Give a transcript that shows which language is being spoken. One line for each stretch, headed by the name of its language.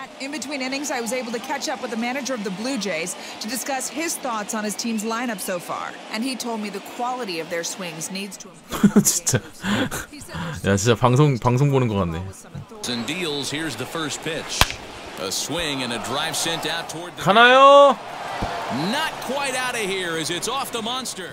English: In between innings I was able to catch up with the manager of the Blue Jays to discuss his thoughts on his team's lineup so far and he told me the quality of their swings needs to improve.
Korean: 진짜. 야, 진짜 방송 보는 거 같네.
English: And deals, here's the first pitch. A swing and a drive sent out toward the
Korean: 가나요?
English: Not quite out of here as it's off the monster.